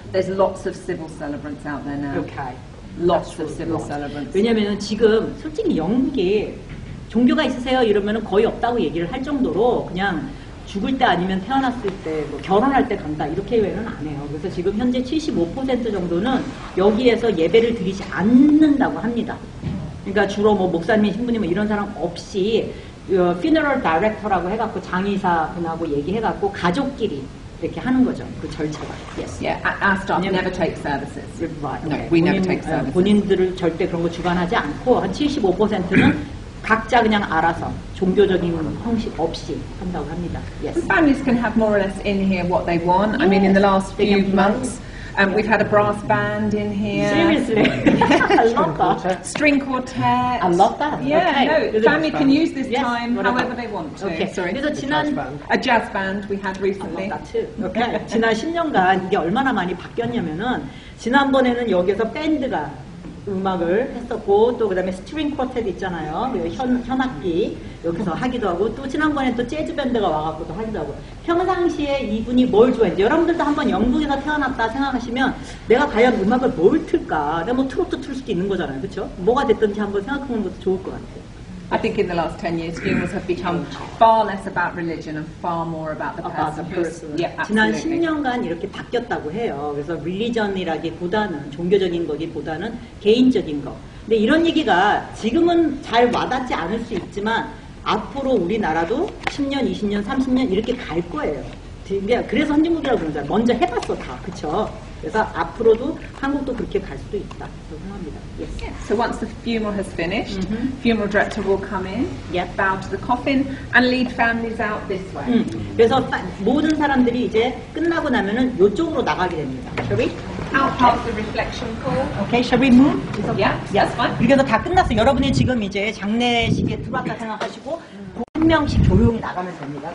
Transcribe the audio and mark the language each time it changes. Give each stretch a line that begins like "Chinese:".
English: There's lots of civil celebrants out there now. Okay. Lots of celebrants.
Korean: 왜냐면 지금 솔직히 영국에 종교가 있으세요? 이러면 거의 없다고 얘기를 할 정도로 그냥 죽을 때 아니면 태어났을 때 뭐 결혼할 때 간다 이렇게 외에는 안 해요. 그래서 지금 현재 75% 정도는 여기에서 예배를 드리지 않는다고 합니다. 그러니까 주로 뭐 목사님, 신부님 뭐 이런 사람 없이 funeral director라고 해갖고 장의사 분하고 얘기해갖고 가족끼리 이렇게 하는 거죠. 그 절차가.
English: Yes. Yeah, our staff never take services. Right. No, we never take services.
Korean: 본인들을 절대 그런 거 주관하지 않고 한 75%는 각자 그냥 알아서 종교적인 형식 없이 한다고 합니다.
English: Yes. Families can have more or less in here what they want. Yes. I mean, in the last few months. And we've had a brass band in here. Seriously? I love that. String quartet. I love that. Yeah, okay. No, family can use this yes. time however about? They want to. Okay. Sorry.
Korean: A, 지난,
English: a jazz band we had recently. I love that too. Okay.
Korean: 지난 10년간 이게 얼마나 많이 바뀌었냐면은 지난번에는 여기서 밴드가 음악을 했었고 또 그다음에 스트링 쿼텟 있잖아요. 현악기 여기서 하기도 하고 또 지난번에 또 재즈 밴드가 와갖고도 하기도 하고 평상시에 이분이 뭘 좋아했지 여러분들도 한번 영국에서 태어났다 생각하시면 내가 과연 음악을 뭘 틀까? 내가 뭐 트로트 틀 수도 있는 거잖아요, 그렇죠? 뭐가 됐든지 한번 생각하는 것도 좋을 것 같아요.
English: I think in the last 10 years, funerals have become far less about religion and far more about the person. About the person. Yeah,
Korean: 지난 10년간 이렇게 바뀌었다고 해요. 그래서 religion이라기보다는 종교적인 거기보다는 개인적인 거. 근데 이런 얘기가 지금은 잘 와닿지 않을 수 있지만 앞으로 우리나라도 10년, 20년, 30년 이렇게 갈 거예요. 그래서 선진국이라고 그러잖아요. 먼저 해봤어 다, 그렇죠? 그래서 앞으로도 한국도 그렇게 갈 수도 있다. 그래서
English: yes. Once the funeral has finished, funeral director will come in, yep. bow to the coffin, and lead families out this way.
Korean: 그래서 모든 사람들이 이제 끝나고 나면은 이쪽으로 나가게 됩니다.
English: Shall we? Out past the reflection core. Okay, shall we move? Yeah, yes, fine.
Korean: 그래서 다 끝났어. 여러분이 지금 이제 장례식에 들어왔다 생각하시고 한 명씩 조용히 나가면 됩니다.